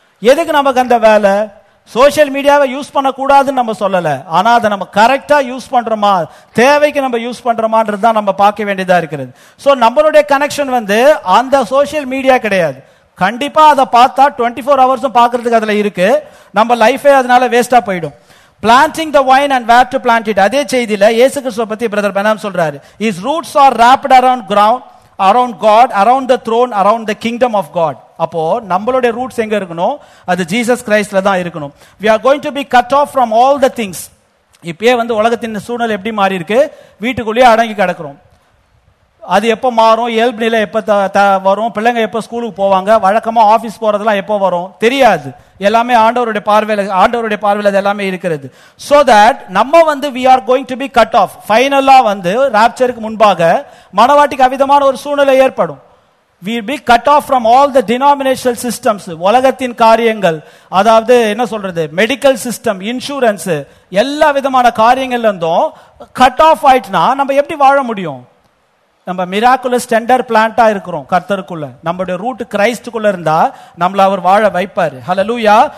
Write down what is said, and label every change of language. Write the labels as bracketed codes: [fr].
[ta] எதுக்கு நமக்கு அந்த வேலை? சோசியல் மீடியாவை யூஸ் பண்ணக்கூடாதுன்னு நம்ம சொல்லலை, ஆனால் அதை நம்ம கரெக்டாக யூஸ் பண்ணுறோமா, தேவைக்கு நம்ம யூஸ் பண்ணுறோமான்றது தான் நம்ம பார்க்க வேண்டியதாக இருக்கிறது. ஸோ நம்மளுடைய கனெக்ஷன் வந்து அந்த சோசியல் மீடியா கிடையாது. கண்டிப்பாக அதை பார்த்தா 24 hours பார்க்கறதுக்கு அதில் இருக்கு, நம்ம லைஃபே அதனால வேஸ்ட்டாக போயிடும். [en] Planting the vine and where to plant it. [ta] அதே செய்தியில் இயேசு கிறிஸ்துவ பற்றி பிரதர் பெனாம் சொல்கிறார், [en] His roots are wrapped around ground, around God, around the throne, around the kingdom of God. [ta] அப்போ நம்மளுடைய ரூட்ஸ் எங்க இருக்கணும்? அது ஜீசஸ் கிரைஸ்ட்ல தான் இருக்கணும். [en] We are going to be cut off from all the things. [ta] இப்பயே வந்து உலகத்தின் சூழல் எப்படி மாறி இருக்கு, வீட்டுக்குள்ளேயே அடங்கி கிடக்குறோம், அது எப்போ மாறும், இயல்பு நிலை எப்போ வரும், பிள்ளைங்க எப்போ ஸ்கூலுக்கு போவாங்க, வழக்கமாக ஆஃபீஸ் போகிறதெல்லாம் எப்போ வரும் தெரியாது. எல்லாமே ஆண்டவருடைய பார்வையில், ஆண்டவருடைய பார்வையில் அது எல்லாமே இருக்கிறது. ஸோ தட் நம்ம வந்து we are going to be cut off ஃபைனலாக வந்து ராப்சருக்கு முன்பாக மனவாட்டிக்கு அவிதமான ஒரு சூழ்நிலை ஏற்படும். [en] We will be cut off from all the denominational systems. [ta] உலகத்தின் காரியங்கள், அதாவது என்ன சொல்றது, மெடிக்கல் சிஸ்டம், இன்சூரன்ஸ், எல்லா விதமான காரியங்கள்ல இருந்தும் கட் ஆஃப் ஆயிட்டுனா நம்ம எப்படி வாழ முடியும்? நம்ம மிராக்குலஸ் டெண்டர் பிளான்டா இருக்கிறோம் கர்த்தருக்குள்ள, நம்மளுடைய ரூட் கிரைஸ்டுக்குள்ள இருந்தா நம்மள அவர் வாழ வைப்பாரு. ஹல்லேலூயா.